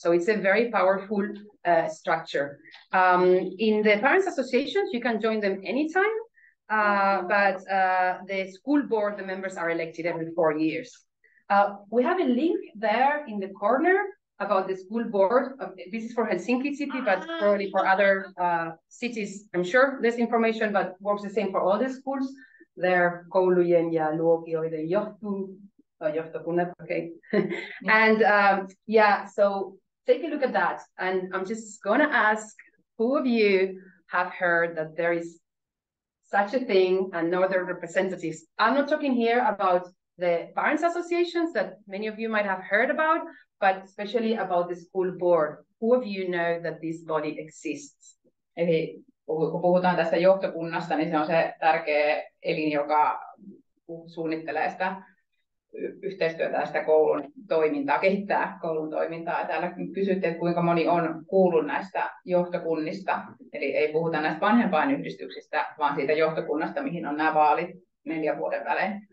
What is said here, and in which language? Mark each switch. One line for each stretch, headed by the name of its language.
English: So it's a very powerful structure. In the parents' associations, you can join them anytime, but the school board, the members are elected every 4 years. We have a link there in the corner about the school board. This is for Helsinki City, but probably for other cities, I'm sure this information, but works the same for all the schools.
Finnish: There, koulujen ja luokioiden johtu.
English: Okay. And so take a look at that. And I'm just going to ask, who of you have heard that there is such a thing and no other representatives? I'm not talking here about the parents' associations that many of you might have heard about, but especially about the school board. Who of you know that this body exists?
Finnish: Eli kun puhutaan tästä johtokunnasta, niin se on se tärkeä elin, joka suunnittelee sitä yhteistyötä ja sitä koulun toimintaa, kehittää koulun toimintaa. Täällä kysyttiin, kuinka moni on kuullut näistä johtokunnista. Eli ei puhuta näistä vanhempainyhdistyksistä, vaan siitä johtokunnasta, mihin on nämä vaalit 4 vuoden välein.